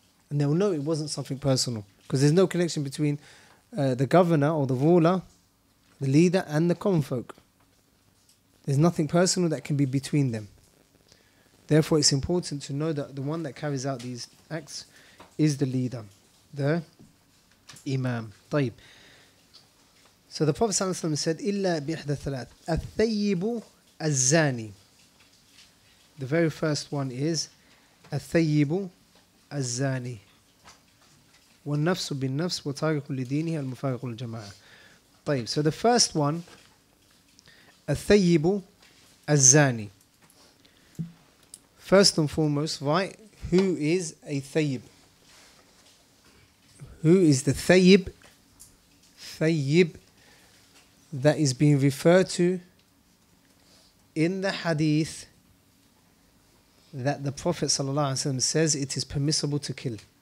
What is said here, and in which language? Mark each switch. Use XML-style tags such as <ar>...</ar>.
<en>And they'll know it wasn't something personal, because there's no connection between the governor or the ruler, the leader, and the common folk. There's nothing personal that can be between them. Therefore, it's important to know that the one that carries out these acts is the leader, the imam.</en> <ar>طيب.</ar> <en>So the Prophet ﷺ said, إِلَّا بِإِحْدَى ثَلَاثٍ أَثَّيِّبُ الزَّانِي.</en> <ar>The very first one is أَثَّيِّبُ الزَّانِي وَالنَّفْسُ بِالنَّفْسِ وَتَارِكُ لِدِينِهِ الْمُفَارِقُ لِلْجَمَاعَةِ. طيب.</ar> <en>So the first one, أَثَّيِّبُ الزَّانِي. First and foremost, right, who is a ثَيِّب? Who is the ثَيِّب? ثَيِّب that is being referred to in the hadith that the Prophet ﷺ says it is permissible to kill.</en>